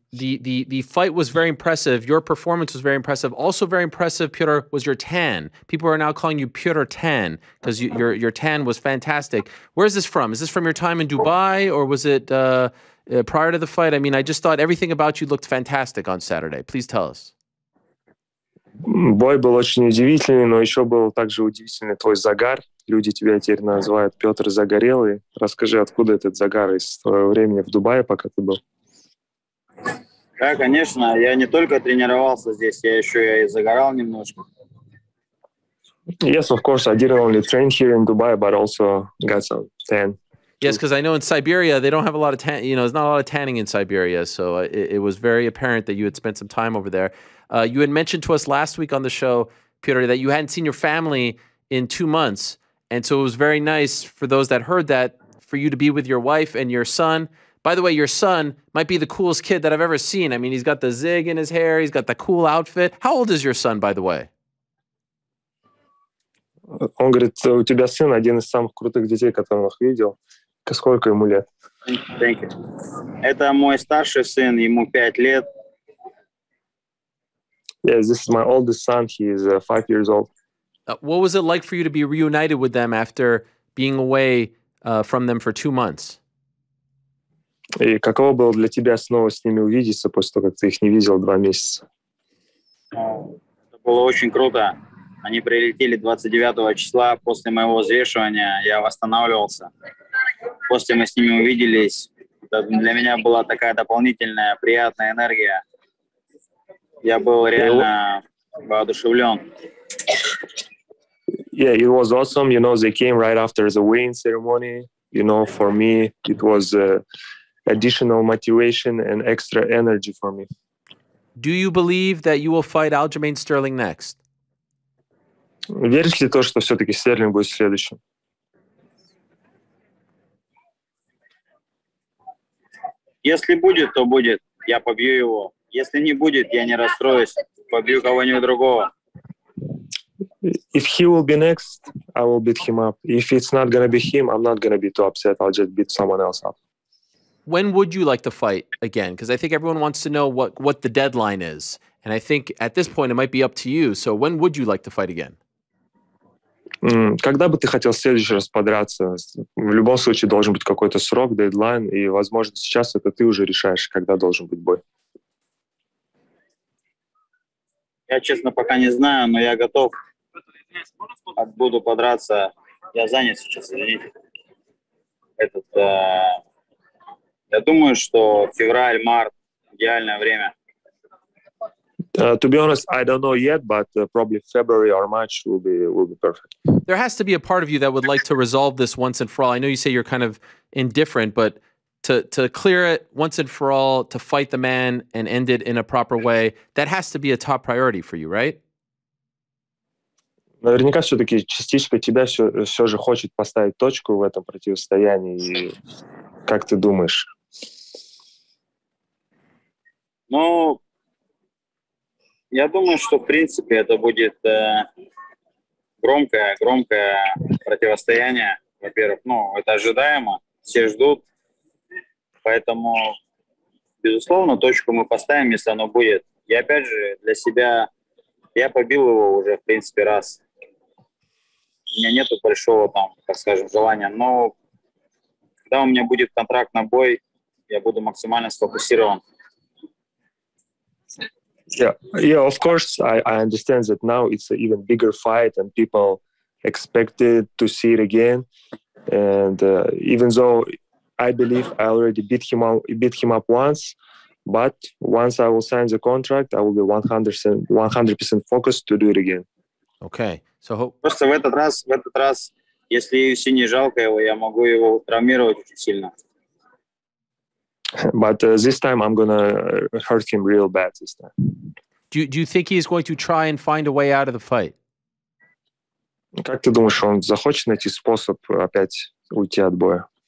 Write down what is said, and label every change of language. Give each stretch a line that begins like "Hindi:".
English: The fight was very impressive. Your performance was very impressive. Also very impressive, Piotr, was your tan. People are now calling you Piotr Tan because your tan was fantastic. Where is this from? Is this from your time in Dubai or was it prior to the fight? I mean, I just thought everything about you looked fantastic on Saturday. Please tell us.
Russian: Бой был очень удивительный, но еще был также удивительный твой загар. Люди тебя теперь называют Петр Загорелый. Расскажи, откуда этот загар из твоего времени в Дубае, пока ты был? Да, конечно. Я не только тренировался здесь, я еще и загорал немножко.
English: Yes, of course. I didn't only train here in Dubai, but also got some tan. Yes, because I know in Siberia, they don't have a lot of tan. You know, there's not a lot of tanning in Siberia. So it was very apparent that you had spent some time over there. You had mentioned to us last week on the show, Peter, that you hadn't seen your family in 2 months. And so it was very nice for those that heard that, for you to be with your wife and your son. By the way, your son might be the coolest kid that I've ever seen. I mean, he's got the zig in his hair. He's got the cool outfit. How old is your son, by the way?
Russian: Он говорит, у тебя сын один из самых крутых детей, которых видел. Сколько ему лет?
English: Thank you.
Russian: Это мой старший сын, ему 5 лет.
English: Yes, this is my oldest son. He is 5 years old. What was it like for you to be reunited with them after being away from them for 2 months?
Russian: И каково было для тебя снова с ними увидеться после того, как ты их не видел 2 месяца? Это было очень круто. Они прилетели 29 числа после моего взвешивания. Я восстанавливался. После мы с ними увиделись, для меня была такая дополнительная приятная энергия. Я был реально воодушевлен.
English: Yeah, it was awesome. You know, they came right after the weigh-in ceremony. You know, for me, it was additional motivation and extra energy for me. Do you believe that you will fight Aljamain Sterling next?
Russian: Веришь ли то, что все-таки Стерлинг будет следующим? Если будет, то будет. Я побью его. Если не будет, я не расстроюсь. Побью кого-нибудь другого.
English: If he will be next, I will beat him up. If it's not gonna be him, I'm not gonna be too upset. I'll just beat someone else up. When would you like to fight again? Because I think everyone wants to know what the deadline is. And I think at this point, it might be up to you. So when would you like to fight again?
Russian: Когда бы ты хотел в следующий раз подраться? В любом случае должен быть какой-то срок, дедлайн, и, возможно, сейчас это ты уже решаешь, когда должен быть бой. Я, честно, пока не знаю, но я готов. Буду подраться. Я занят сейчас, извините. Я думаю, что февраль, март – идеальное время.
English: To be honest, I don't know yet, but probably February or March will be perfect. There has to be a part of you that would like to resolve this once and for all. I know you say you're kind of indifferent, but to clear it once and for all, to fight the man and end it in a proper way, that has to be a top priority for you, right?
Russian: Наверняка все-таки частичка тебя все же хочет поставить точку в этом противостоянии. Как ты думаешь? Ну... Я думаю, что, в принципе, это будет громкое противостояние, во-первых. Ну, это ожидаемо, все ждут. Поэтому, безусловно, точку мы поставим, если оно будет. И опять же, для себя, я побил его уже, в принципе, раз. У меня нету большого, там, так скажем, желания. Но когда у меня будет контракт на бой, я буду максимально сфокусирован.
English: Yeah, of course, I understand that now it's an even bigger fight and people expected to see it again. And even though I believe I already beat him up once, but once I will sign the contract, I will be 100% focused to do it again. Okay. So
Russian: просто в этот раз, если UFC не жалко его, я могу его травмировать очень сильно.
English: But this time I'm going to hurt him real bad this time. Do you think he's going to try and find a way out of the fight?
Russian: Как ты думаешь, он захочет найти способ опять уйти от боя?